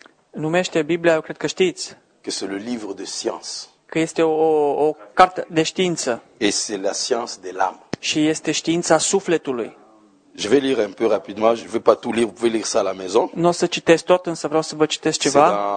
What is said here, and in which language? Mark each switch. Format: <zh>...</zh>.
<ro>Numește Biblia, eu cred că știți.</ro> <fr>Que c'est le livre de science.</fr> <ro>Că este o carte de știință.</ro> <fr>Et c'est la science de l'âme.</fr> <ro>Și este știința sufletului.</ro> <fr>Je vais lire un peu rapidement, je vais pas tout lire, vous pouvez lire ça à la maison.</fr> <ro>N-o să citesc tot, însă vreau să vă citesc ceva.</ro>